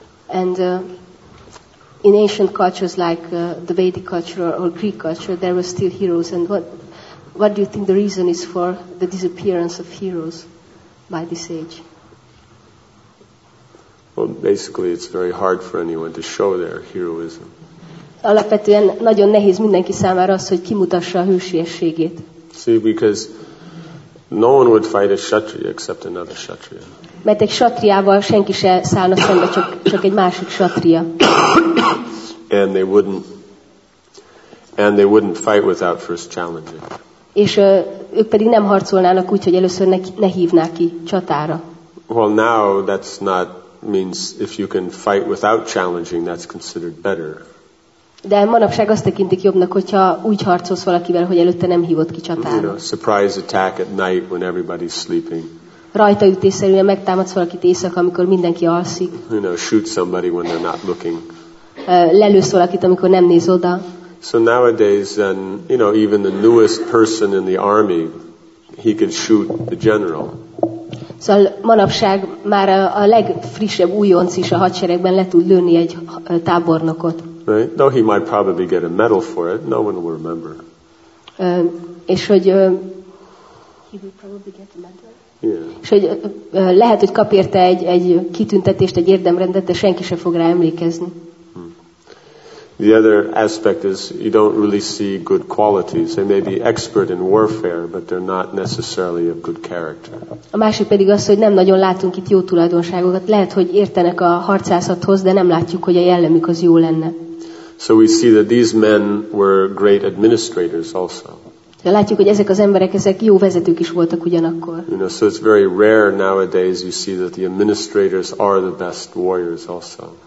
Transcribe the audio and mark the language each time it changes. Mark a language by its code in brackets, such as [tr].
[en] And in ancient cultures like the Vedic culture or Greek culture, there were still heroes. And what do you think the reason is for the disappearance of heroes by this age? Well, basically, it's very hard for anyone to show their heroism. [hu] Alapvetően nagyon nehéz mindenki számára az, hogy kimutassa a hősiességét. [en] See, because no one would fight a kshatriya except another kshatriya. [hu] Mert egy kshatriával senki se szállna szembe, csak egy másik kshatriya. [en] And they wouldn't fight without first challenging. [hu] És ők pedig nem harcolnának úgy, hogy először ne hívná ki csatára. [en] Well, now that's not means if you can fight without challenging, that's considered better. [hu] De manapság azt tekintik jobbnak, hogyha úgy harcolsz valakivel, hogy előtte nem hívott ki csatára. [en] You know, surprise attack at night when everybody's sleeping. [hu] Rajtaütésszerűen megtámadsz valakit éjszaka, amikor mindenki alszik. [en] You know, shoot somebody when they're not looking. [hu] Lelősz valakit, amikor nem néz oda. [en] So nowadays, then, you know, even the newest person in the army, he can shoot the general. [hu] Szóval manapság már a legfrissebb újonc is a hadseregben le tud lőni egy tábornokot. [en] Right? No, he might probably get a medal for it. No one will remember. [hu] És hogy [en] he will probably get a medal. Yeah. [hu] És hogy lehet, hogy kap érte egy kitüntetést, egy érdemrendet, de senki sem fog rá emlékezni. [en] The other aspect is you don't really see good qualities. They may be expert in warfare, but they're not necessarily of good character. [hu] A másik pedig az, hogy nem nagyon látunk itt jó tulajdonságokat. Lehet, hogy értenek a harcászathoz, de nem látjuk, hogy a jellemük az jó lenne. [en] So we see that these men were great administrators also. [hu] De látjuk, hogy ezek az emberek, ezek jó vezetők is voltak ugyanakkor. [en] You know, so it's very rare nowadays you see that the administrators are the best warriors also.